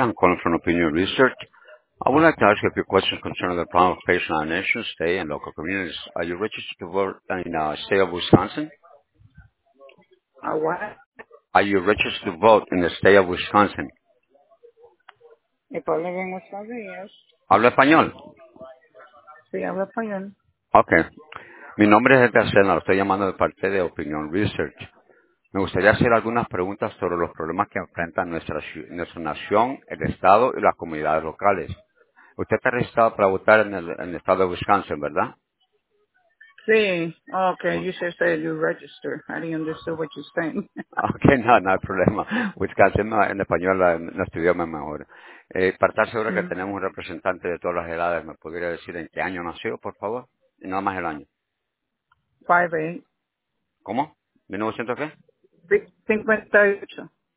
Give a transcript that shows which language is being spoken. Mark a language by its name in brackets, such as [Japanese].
[English] I'm calling from Opinion Research. I would like to ask you a few questions concerning the problem of patients in our nation, state, and local communities. Are you registered to vote in the state of Wisconsin? What? Are you registered to vote in the state of Wisconsin? [Spanish] ¿Me puedo ver en Wisconsin? [English] Yes. [Spanish] ¿Habla español? Sí, hablo español. Okay. Mi nombre es Edgar Sena. Lo estoy llamando de parte de Opinion Research. Me gustaría hacer algunas preguntas sobre los problemas que enfrentan nuestra nación, el Estado y las comunidades locales. Usted está registrado para votar en el estado de Wisconsin, ¿verdad? Sí. [English] Okay, you said you register. I didn't understand what you're saying. [Spanish] Okay, no hay problema. Wisconsin en español no estudió mejor. Para estar seguro que tenemos un representante de todas las edades, ¿me podría decir en qué año nació, por favor? Y nada más el año. 58. ¿Cómo? ¿1900 qué? 58.